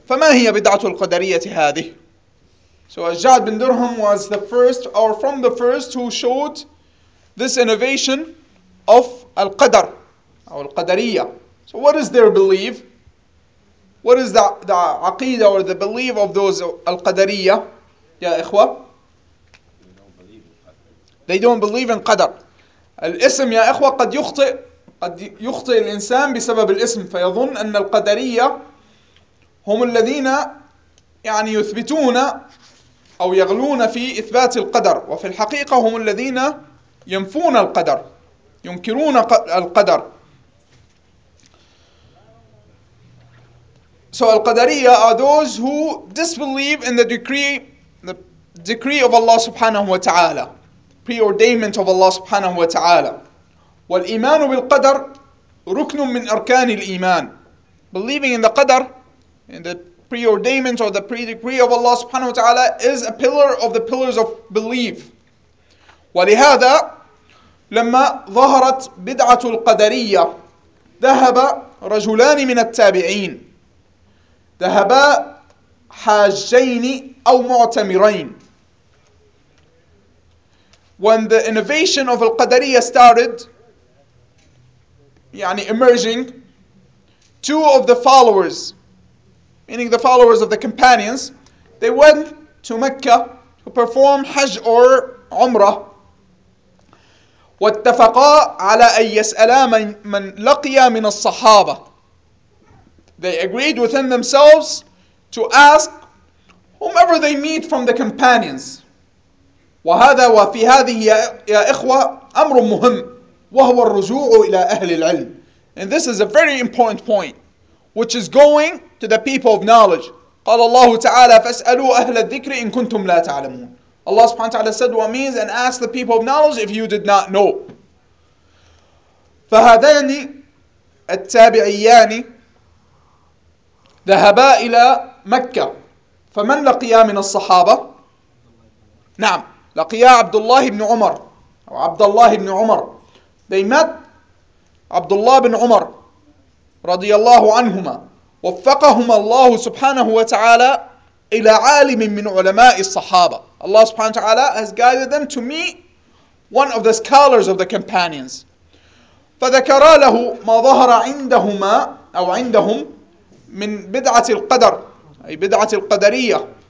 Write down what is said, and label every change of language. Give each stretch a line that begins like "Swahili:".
Arabic: فما هي بدعة القدرية هذه؟
English: So الجعد بن درهم was the first or from the first who showed this innovation of
Arabic: القدر أو القدرية.
English: So what is their belief? What is the aqeedah or the belief of those al-qadariya? Ya ikhwa? They don't believe in qadar.
Arabic: Al-ism ya ikhwa qad yukhti' قد يخطئ الإنسان بسبب الاسم فيظن أن القدرية هم الذين يعني يثبتون أو يغلون في إثبات القدر وفي الحقيقة هم الذين ينفون القدر ينكرون القدر.
English: So القدرية are those who disbelieve in the decree of Allah سبحانه وتعالى, preordainment of Allah سبحانه وتعالى.
Arabic: والإيمان بالقدر ركن من أركان الإيمان.
English: Believing in the Qadr, in the preordainment or the pre-decree of Allah subhanahu wa ta'ala, is a pillar of the pillars of belief.
Arabic: ولهذا لما ظهرت بدعة القدرية ذهب رجلان من التابعين, ذهبا حاجين أو معتمرين.
English: When the innovation of al-Qadariyya started, يعني emerging, two of the followers, meaning the followers of the companions, they went to Mecca to perform Hajj or Umrah.
Arabic: واتفقا على أن يسألا من لقيا من الصحابة.
English: They agreed within themselves to ask whomever they meet from the companions.
Arabic: وهذا وفي هذه يا إخوة أمر مهم وهو الرجوع إلى أهل العلم.
English: And this is a very important point, which is going to the people of knowledge.
Arabic: قال الله تعالى فاسألوا أهل الذكر إن كنتم لا تعلمون.
English: Allah subhanahu wa ta'ala said what means, and ask the people of knowledge if you did not know.
Arabic: فهذان التابعيان ذهبا إلى مكة. فمن لقيا من الصحابة؟ نعم, لقيا عبد الله بن عمر. أو عبد الله بن عمر.
English: They met
Arabic: عبد الله بن عمر رضي الله عنهما, وفقهما الله سبحانه وتعالى إلى عالم من علماء الصحابة.
English: Allah سبحانه وتعالى has guided them to meet one of the scholars of the companions.
Arabic: فذكرا له ما ظهر عندهما أو عندهم من بدعة القدر, أي بدعة القدرية.